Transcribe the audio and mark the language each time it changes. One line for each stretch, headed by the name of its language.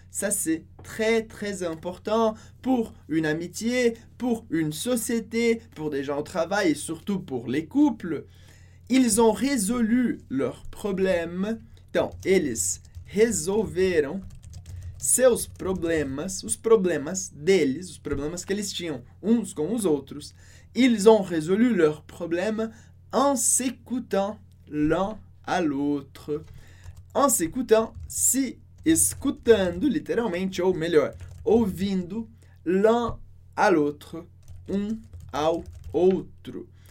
French: Ça, c'est très, très important pour une amitié, pour une société, pour des gens au travail et surtout pour les couples. Ils ont résolu leur problème.
Portuguese: Então, eles resolveram seus problemas, os problemas deles, os problemas que eles tinham uns com os outros.
French: Ils ont résolu leur problème en s'écoutant l'un à l'autre. En s'écoutant,
Portuguese: se escutando, literalmente, ou melhor, ouvindo
French: l'un à l'autre,
Portuguese: um ao outro.